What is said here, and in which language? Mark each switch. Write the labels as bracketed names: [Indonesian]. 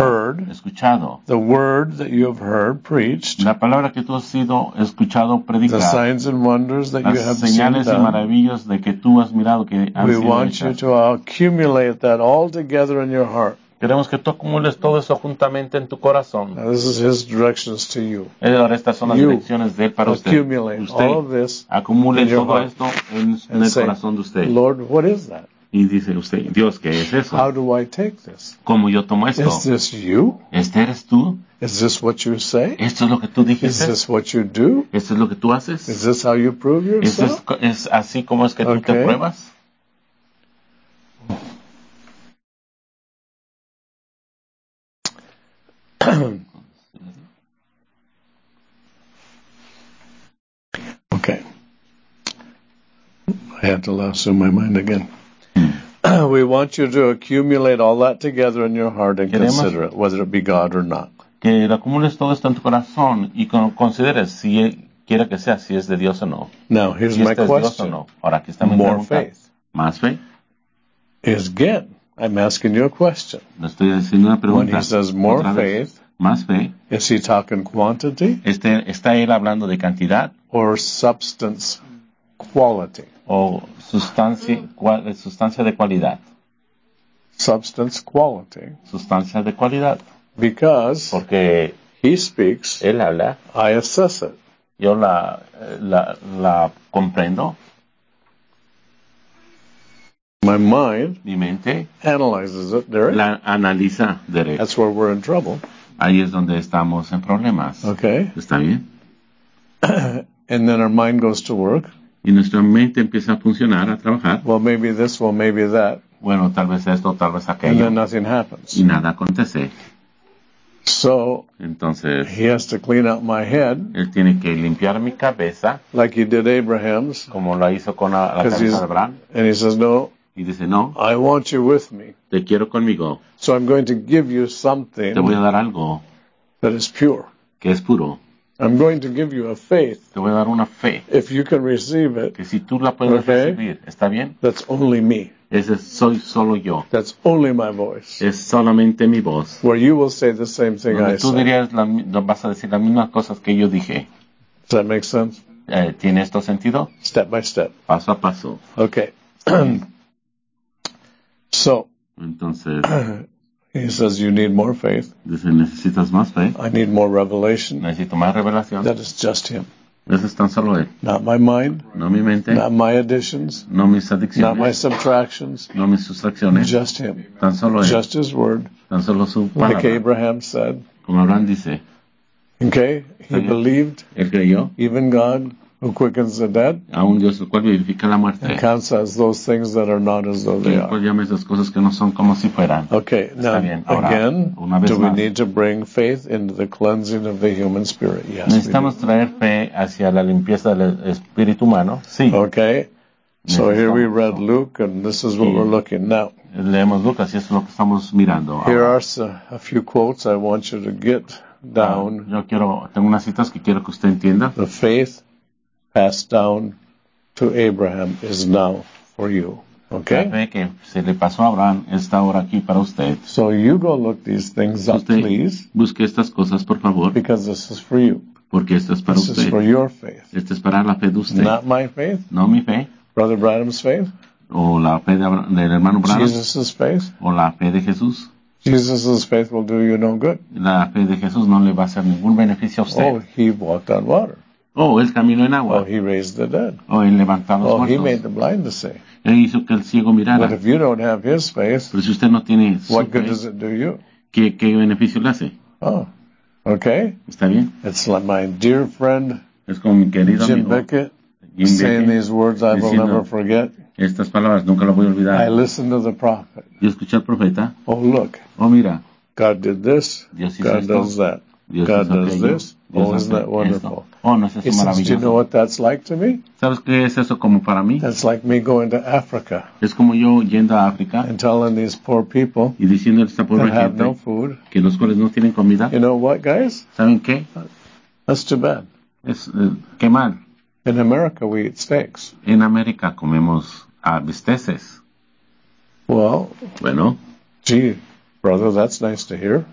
[English] Heard. [Spanish] Escuchado. [English] The word that you have heard preached. [Spanish] La palabra que tú has sido escuchado predicar. [English] The signs and wonders that you have seen. [Spanish] Las señales y maravillas de que tú has mirado que han sido hechas. [English] We want you to accumulate that all together in your heart. [Spanish] Queremos que tú acumules todo eso juntamente en tu corazón. [English] Now, this is his directions to you. [Spanish] Ahora estas son las direcciones de él para usted. [English] Accumulate [Spanish] usted [English] all of this [Spanish] acumule [English] in your [Spanish] todo [English] heart [Spanish] esto en el [English] say, [Spanish] corazón de usted. [English] Lord, what is that? [Spanish] Y dice usted, Dios, ¿qué es eso? [English] How do I take this? [Spanish] ¿Cómo yo tomo esto? [English] Is this you? [Spanish] ¿Este eres tú? [English] Is this what you say? [Spanish] ¿Esto es lo que tú dijiste? [English] Is this what you do? [Spanish] ¿Esto es lo que tú haces? [English] Is this how you prove yourself? [Spanish] ¿Es así como es que tú te pruebas? [English] Okay. I had to lasso my mind again. We want you to accumulate all that together in your heart and consider it, whether it be God or not. [Spanish] Que acumules todo esto en tu corazón y consideres si quiera que sea, si es de Dios o no. [English] Now, here's my question. [Spanish] Ahora, aquí está mi pregunta. [English] More faith. [Spanish] Más fe. [English] Is good. I'm asking you a question. [Spanish] Me estoy haciendo una pregunta. [English] When he says more faith, [Spanish] más fe. [English] Is he talking quantity? [Spanish] ¿Está él hablando de cantidad? [English] Or substance quality? [Spanish] O sustancia de cualidad. [English] Substance quality. [Spanish] Sustancia de cualidad. [English] Because [Spanish] porque [English] he speaks, [Spanish] él habla, [English] I assess it. [Spanish] Yo la comprendo. [English] My mind, [Spanish] mi mente, [English] analyzes it, Derek. [Spanish] La analiza, Derek. [English] That's where we're in trouble. [Spanish] Ahí es donde estamos en problemas. [English] Okay. [Spanish] ¿Está bien? [English] And then our mind goes to work. [Spanish] Y nuestra mente empieza a funcionar, a trabajar. [English] Well, maybe this, well, maybe that. [Spanish] Bueno, tal vez esto, tal vez aquello. [English] And then nothing happens. [Spanish] Y nada acontece. [English] So, [Spanish] entonces, [English] he has to clean out my head. [Spanish] Él tiene que limpiar mi cabeza. [English] Like he did Abraham's. [Spanish] Como lo hizo con la cabeza de Abraham. [English] And he says, no. [Spanish] Y dice, no, [English] I want you with me. [Spanish] Te quiero conmigo. [English] So I'm going to give you something. [Spanish] Te voy a dar algo. [English] That is pure. [Spanish] Que es puro. [English] I'm going to give you a faith. [Spanish] Te voy a dar una fe. [English] If you can receive it. [Spanish] Que si tú la puedes recibir. ¿Está bien? [English] That's only me. [Spanish] Ese soy solo yo. [English] That's only my voice. [Spanish] Es solamente mi voz. [English] Where you will say the same thing [Spanish] donde [English] I said. [Spanish] Tú dirías, vas a decir las mismas cosas que yo dije. [English] Does that make sense? [Spanish] ¿Tiene esto sentido? [English] Step by step. [Spanish] Paso a paso. [English] Okay. So, [Spanish] entonces, [English] he says, you need more faith. [Spanish] Dice, necesitas más fe. [English] I need more revelation. [Spanish] Necesito más revelación. [English] That is just him. [Spanish] Eso es tan solo él. [English] Not my mind. [Spanish] No mi mente. [English] Not my additions. [Spanish] No mis adicciones. [English] Not my subtractions. [Spanish] No mis sustracciones. [English] Just him. [Spanish] Tan solo él. [English] Just his word. [Spanish] Tan solo su palabra. [English] Like Abraham said. [Spanish] Como Abraham dice. [English] Okay, he believed. [Spanish] Él creyó. [English] Even God. Who quickens the dead? [Spanish] A un Dios el cual vivifica la muerte. [English] And counts as those things that are not as though they are. [Spanish] Pues llama esas cosas que no son como si fueran. [English] Okay, now again, do we need to bring faith into the cleansing of the human spirit? Yes. [Spanish] Necesitamos traer fe hacia la limpieza del espíritu humano. Sí. [English] Okay. So here we read Luke, and this is what we're looking at now. [Spanish] Leemos Lucas y eso es lo que estamos mirando. [English] Here are a few quotes I want you to get down. [Spanish] Yo quiero tengo unas citas que quiero que usted entienda. [English] The faith passed down to Abraham is now for you. Okay? [Spanish] La fe que se le pasó a Abraham está ahora aquí para usted. [English] So you go look these things up, please. [Spanish] Busque estas cosas, por favor. [English] Because this is for you. [Spanish] Porque esto es para [English] this [Spanish] usted. [English] Is for your faith. [Spanish] Este es para la fe de usted. [English] Not my faith. [Spanish] No mi fe. [English] Brother Branham's faith. [Spanish] O la fe del hermano Branham. [English] Jesus' faith. [Spanish] O la fe de Jesús. [English] Jesus' faith will do you no good. [Spanish] La fe de Jesús no le va a hacer ningún beneficio a usted. [English] Oh, he walked on water. [Spanish] Oh, él caminó en agua. [English] Oh, he raised the dead. [Spanish] Oh, él levantó a los muertos. [English] Oh, he made the blind to see. [Spanish] Él hizo que el ciego mirara. [English] But if you don't have his faith, [Spanish] pero si usted no tiene su [English] what [Spanish] fe, [English] good does it do you? [Spanish] ¿Qué beneficio le hace? [English] Oh, okay. [Spanish] Está bien. [English] It's like my dear friend, [Spanish] es como mi querido [English] Jim [Spanish] amigo, [English] Beckett, [Spanish] Jim [English] saying [Spanish] Beckett, [English] these words I will never forget. [Spanish] Estas palabras nunca las voy a olvidar. [English] I listened to the prophet. [Spanish] Yo escuché al profeta. [English] Oh, look. [Spanish] Oh, mira. [English] God did this. [Spanish] Dios hizo [English] God [Spanish] esto. [English] Does that. [Spanish] Dios [English] God does [Spanish] aquello. [English] This. [Spanish] Dios [English] oh, isn't that wonderful? [Spanish] Esto. Oh, no es eso maravilloso. [English] Says, do you know what that's like to me? [Spanish] ¿Sabes qué es eso como para mí? [English] That's like me going to Africa. [Spanish] Es como yo yendo a África. [English] And telling these poor people [Spanish] y diciendo a esta pobre gente [English] have no food, [Spanish] que los cuales no tienen comida. [English] You know what, guys? [Spanish] ¿Saben qué? [English] That's too bad. [Spanish] Es qué mal. [English] In America, we eat steaks. [Spanish] En América comemos bisteces. [English] Well, [Spanish] bueno. [English] Gee, brother, that's nice to hear.